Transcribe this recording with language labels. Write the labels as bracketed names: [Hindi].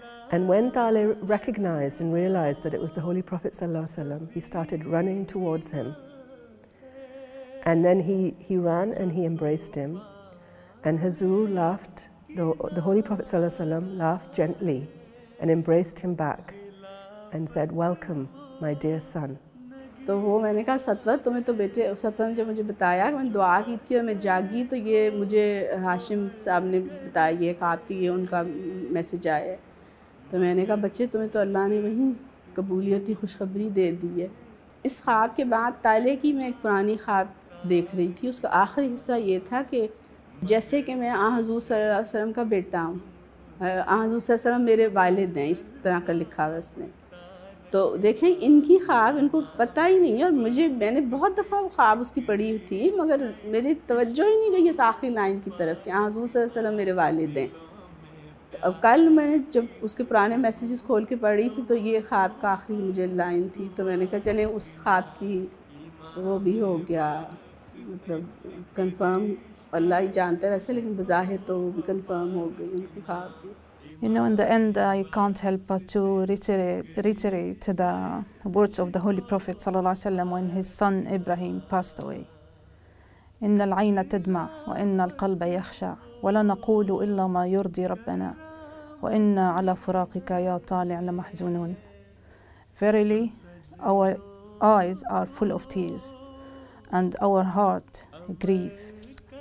[English] And when Taalay recognized and realized that it was the Holy Prophet sallallahu alaihi wasallam, he started running towards him. And then he ran and he embraced him. And Huzoor laughed, the Holy Prophet sallallahu alaihi wasallam laughed gently and embraced him back and said, "Welcome, my dear son." [Urdu] تو وہ میں نے کہا ستور تمہیں تو بیٹے ستور نے جب مجھے بتایا کہ میں دعا کی تھی اور میں جاگی تو یہ مجھے ہاشم صاحب نے بتایا یہ خواب کہ یہ ان کا میسج آیا ہے تو میں نے کہا بچے تمہیں تو اللہ نے وہیں قبولیت کی خوشخبری دے دی ہے اس خواب کے بعد طالے کی میں ایک پرانی خواب دیکھ رہی تھی اس کا آخری حصہ یہ تھا کہ جیسے کہ میں آن حضور صلی اللہ علیہ وسلم کا بیٹا ہوں آن حضور صلی اللہ علیہ وسلم میرے والد ہیں اس طرح کا لکھا ہوا اس نے تو دیکھیں ان کی خواب ان کو پتہ ہی نہیں ہے اور مجھے میں نے بہت دفعہ وہ خواب اس کی پڑھی تھی مگر میری توجہ ہی نہیں گئی اس آخری لائن کی طرف کہ آن حضور صلی اللہ علیہ وسلم میرے والد ہیں تو اب کل میں نے جب اس کے پرانے میسیجز کھول کے پڑھی تھی تو یہ خواب کا آخری مجھے لائن تھی تو میں نے کہا چلیں اس خواب کی وہ بھی ہو گیا مطلب کنفرم اللہ ہی جانتا ہے ویسے لیکن بظاہر تو وہ بھی کنفرم ہو گئی ان کی خواب بھی [English] You know, in the end, I can't help but to reiterate the words of the Holy Prophet sallallahu alaihi wasallam when his son Ibrahim passed away. [Arabic] إِنَّ الْعَيْنَ تَدْمَعْ وَإِنَّ الْقَلْبَ يَخْشَعْ وَلَا نَقُولُ إِلَّا مَا يُرْضِي رَبَّنَا وَإِنَّ عَلَى فُرَاقِكَ يَا طَالِعْ لَمَحْزُونُونَ [English] Verily, our eyes are full of tears and our heart grieves.